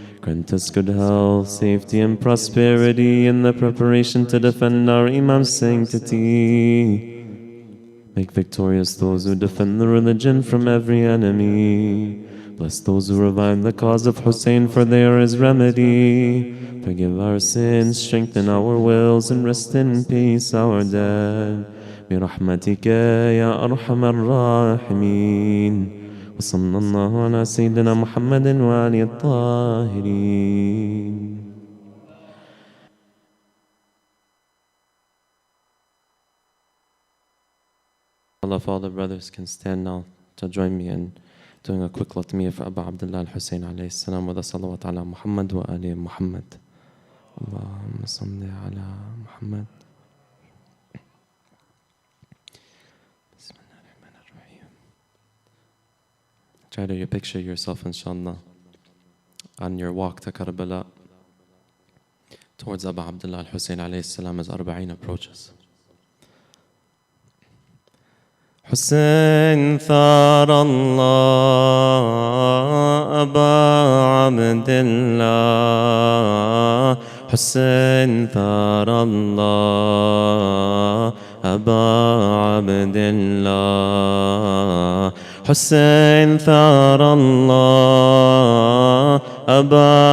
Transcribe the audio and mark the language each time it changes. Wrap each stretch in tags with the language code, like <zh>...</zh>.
<en>Grant us good health, safety, and prosperity in the preparation to defend our Imam's sanctity. Make victorious those who defend the religion from every enemy. Bless those who revive the cause of Hussein, for they are his remedy. Forgive our sins, strengthen our wills, and rest in peace our dead.</en> <ar>برحمتك يا أرحم الراحمين وصلى الله على سيدنا محمد وآل الطاهرين.</ar> <en>All of all the brothers can stand now to join me in doing a quick latmiya for Abu Abdullah al-Hussein alayhi salam with a salawat ala Muhammad wa Ali Muhammad.</en> <ar>Allahumma salli ala Muhammad.</ar> <en>Try to picture yourself, inshallah, on your walk to Karbala towards Abu Abdullah al-Hussein alayhi salam as 40 approaches.</en> <ar>حسين ثار الله أبا عبد الله حسين ثار الله أبا عبد الله حسين ثار الله أبا</ar>